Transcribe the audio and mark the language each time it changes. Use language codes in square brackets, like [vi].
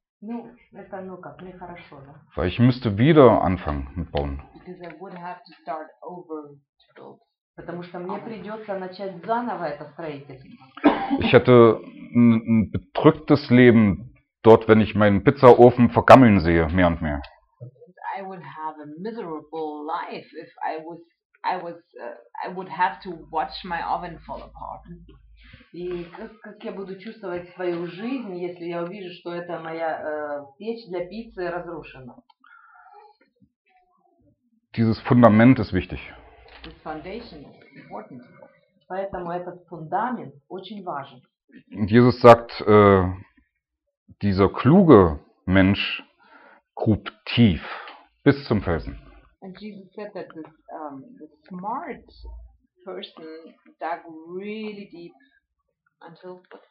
[ru] Ну, это ну как, мне хорошо, да. [de] Weil ich müsste wieder anfangen mit bauen. [en] Because I would have to start over to build. [ru] Потому что мне придется начать заново это строительство. [de] Ich hätte ein bedrücktes Leben dort, wenn ich meinen Pizzaofen vergammeln sehe, mehr und mehr. [en] I would have a miserable life if I would have to watch my oven fall apart. [ru] И как я буду чувствовать свою жизнь, если я увижу, что это моя печь для пиццы разрушена? [de] Dieses Fundament ist wichtig. [en] This foundation is important. [ru] Поэтому этот фундамент очень важен. [de] Jesus sagt, dieser kluge Mensch grub tief bis zum Felsen. [en] And Jesus said that this the smart person dug really deep until